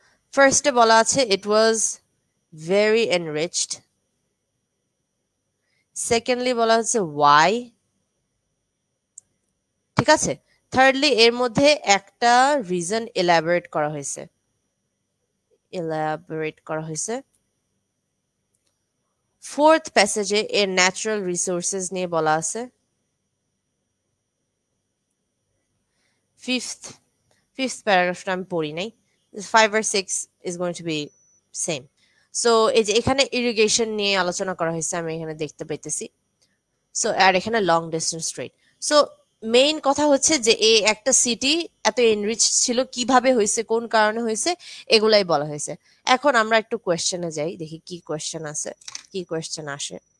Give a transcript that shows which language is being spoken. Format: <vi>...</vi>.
<en>First of all, আছে it was very enriched.</en> <bn>Secondly, বলা হচ্ছে why. ঠিক আছে. Thirdly, এর মধ্যে একটা reason elaborate করা হয়েছে. Elaborate করা হয়েছে. Fourth passage এ natural resources নিয়ে বলা আছে. Fifth paragraph টা আমি পড়ি নাই.</bn> <en>Five or six is going to be same.</en> <bn>So এই এখানে irrigation নিয়ে আলোচনা করা হয়েছে আমি এখানে দেখতে পেতেছি.</bn> <en>So আর এখানে long distance trade.</en> <bn>So main কথা হচ্ছে যে এই একটা city এত enriched ছিল কিভাবে হয়েছে কোন কারণে হয়েছে এগুলাই বলা হয়েছে. এখন আমরা একটু questionে যাই দেখি কি question আছে কি question আসে.</bn>